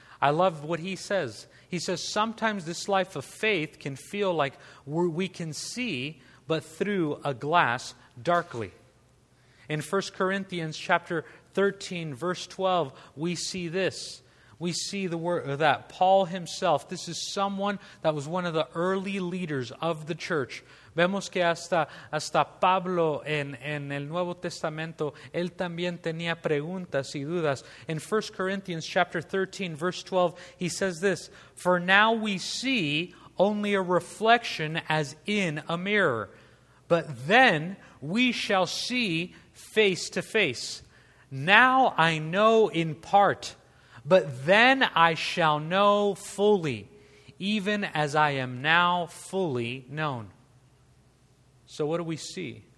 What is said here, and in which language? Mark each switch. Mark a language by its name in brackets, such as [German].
[English] I love what he says. He says, sometimes this life of faith can feel like we can see, but through a glass darkly. In 1 Corinthians chapter 13, verse 12, we see this. We see the word that Paul himself, this is someone that was one of the early leaders of the church. [Spanish] Vemos que hasta Pablo en el Nuevo Testamento, él también tenía preguntas y dudas. [English] In 1 Corinthians chapter 13, verse 12, he says this, for now we see only a reflection as in a mirror, but then we shall see face to face. Now I know in part, but then I shall know fully, even as I am now fully known. So what do we see?